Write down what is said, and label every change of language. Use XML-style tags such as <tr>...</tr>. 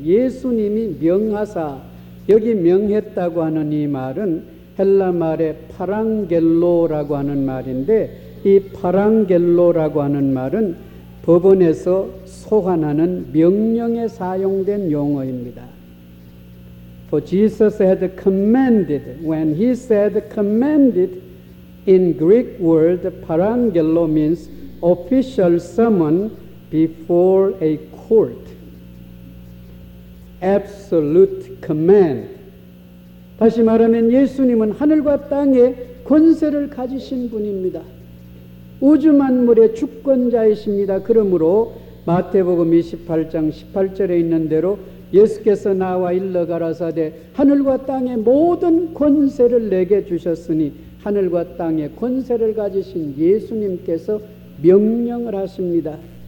<ko>예수님이 명하사, 여기 명했다고 하는 이 말은 헬라 말의 파랑겔로라고 하는 말인데, 이 파랑겔로라고 하는 말은 법원에서 소환하는 명령에 사용된 용어입니다.</ko> <en>For Jesus had commanded, when he said commanded, in Greek word, parangelo means official summon before a court. Absolute command.</en> <ko>다시 말하면 예수님은 하늘과 땅에 권세를 가지신 분입니다. 우주만물의 주권자이십니다. 그러므로 마태복음 28장 18절에 있는 대로 예수께서 나와 일러 가라사대 하늘과 땅의 모든 권세를 내게 주셨으니, 하늘과 땅의 권세를 가지신 예수님께서 명령을 하십니다.</ko>